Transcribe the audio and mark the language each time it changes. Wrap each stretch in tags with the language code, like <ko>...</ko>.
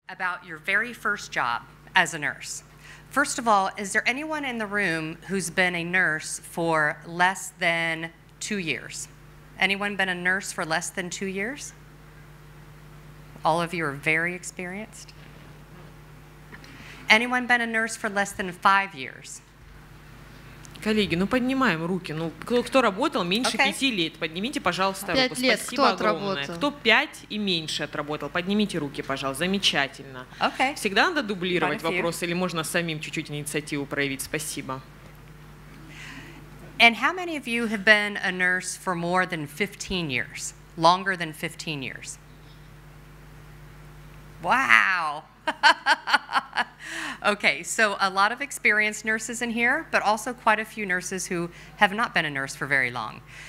<en>about your very first job as a nurse. First of all, is there anyone in the room who's been a nurse for less than 2 years? Anyone been a nurse for less than 2 years? All of you are very experienced. Anyone been a nurse for less than 5 years?</en> <ru>Коллеги, ну поднимаем руки. Ну, кто работал меньше пяти лет, поднимите, пожалуйста, руку. Спасибо огромное. Кто пять и меньше отработал, поднимите руки, пожалуйста. Замечательно. Всегда надо дублировать вопрос, или можно самим чуть-чуть инициативу проявить. Спасибо.</ru> <en>And how many of you have been a nurse for more than 15 years? Longer than 15 years? Wow. Okay, so a lot of experienced nurses in here, but also quite a few nurses who have not been a nurse for very long.</en>